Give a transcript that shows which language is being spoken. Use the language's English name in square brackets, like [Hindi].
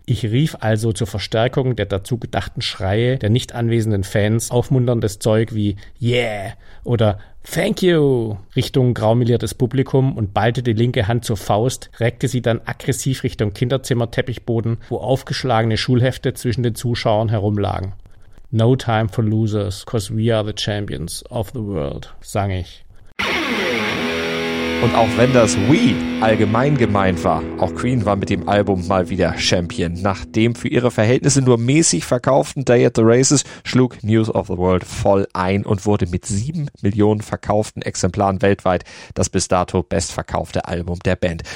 [German] Ich rief also zur Verstärkung der dazu gedachten Schreie der nicht anwesenden Fans aufmunterndes Zeug wie Yeah oder [English] Thank you [German] Richtung graumeliertes Publikum und ballte die linke Hand zur Faust, reckte sie dann aggressiv Richtung Kinderzimmerteppichboden, wo aufgeschlagene Schulhefte zwischen den Zuschauern herumlagen. [English] No time for losers, 'cause we are the champions of the world, [German] sang ich. Und auch wenn das We allgemein gemeint war, auch Queen war mit dem Album mal wieder Champion. Nach dem für ihre Verhältnisse nur mäßig verkauften Day at the Races schlug News of the World voll ein und wurde mit 7 Millionen verkauften Exemplaren weltweit das bis dato bestverkaufte Album der Band.